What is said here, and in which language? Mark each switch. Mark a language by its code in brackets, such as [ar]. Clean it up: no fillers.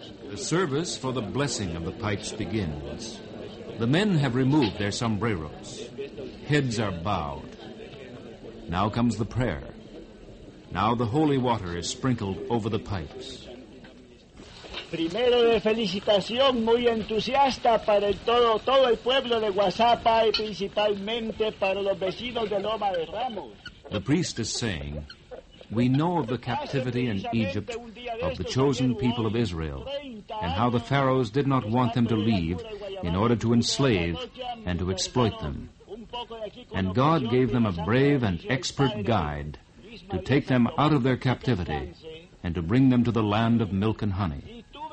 [en] The service for the blessing of the pipes begins. The men have removed their sombreros. Heads are bowed. Now comes the prayer. Now the holy water is sprinkled over the pipes. [es] Primero de felicitación muy entusiasta para todo el pueblo de Guazapa y principalmente para los vecinos de Loma de Ramos. [en] The priest is saying, we know of the captivity in Egypt of the chosen people of Israel and how the pharaohs did not want them to leave in order to enslave and to exploit them. And God gave them a brave and expert guide to take them out of their captivity and to bring them to the land of milk and honey.